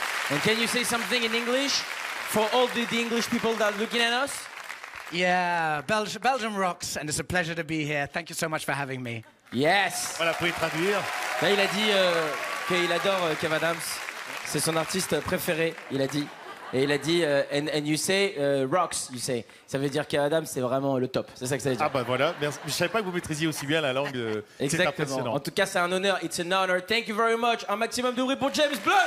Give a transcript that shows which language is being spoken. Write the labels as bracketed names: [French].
[English] And can you say something in English? For all the English people that are looking at us? Yeah, Belgium rocks, and it's a pleasure to be here. Thank you so much for having me. Yes. [French] Voilà, pour y traduire. Là, il a dit qu'il adore Kev Adams. C'est son artiste préféré, il a dit. Et il a dit, [English] and you say rocks, you say. [French] Ça veut dire Kev Adams, c'est vraiment le top. C'est ça que ça veut dire. Ah ben voilà, merci. Je ne savais pas que vous maîtrisiez aussi bien la langue. Exactement. C'est impressionnant. En tout cas, c'est un honneur. [English] It's an honor. Thank you very much. [French] Un maximum de bruit pour James Blunt.